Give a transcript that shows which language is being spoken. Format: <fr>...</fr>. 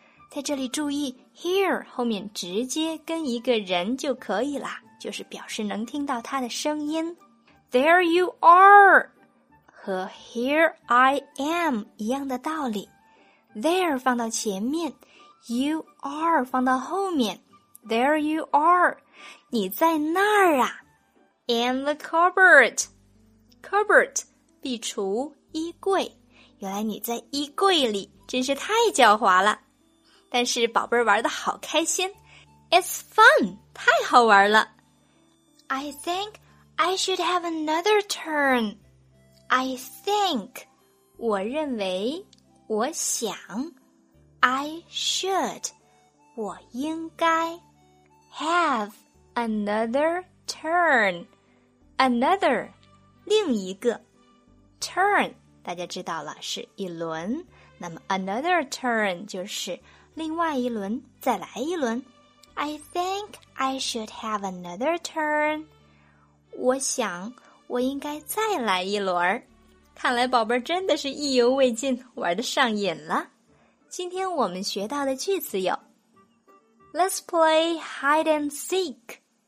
<zh>在这里注意 ，hear 后面直接跟一个人就可以了。就是表示能听到他的声音。</zh> <en>There you are!</en> <zh>和</zh> <en>here I am</en> <zh>一样的道理。 There 放到前面，</zh> <en>you are</en> <zh>放到后面。</zh> <en>There you are，</en> <zh>你在那儿啊。</zh> <en>In the cupboard， cupboard</en> <zh>壁橱、衣柜。原来你在衣柜里，真是太狡猾了。但是宝贝儿玩得好开心，</zh> <en>It's fun，</en> <zh>太好玩了。</zh> <en>I think I should have another turn。 I think，</en> <zh>我认为，我想。</zh> <en>I should，</en> <zh>我应该。</zh> <en>Have another turn，</en> <zh>another， 另一个。Turn， 大家知道了，是一轮。那么 another turn 就是另外一轮，再来一轮。</zh> <en>I think I should have another turn。</en> <zh>我想我应该再来一轮。看来宝贝真的是意犹未尽，玩得上瘾了。今天我们学到的句子有</zh> <en>Let's play hide and seek.</en>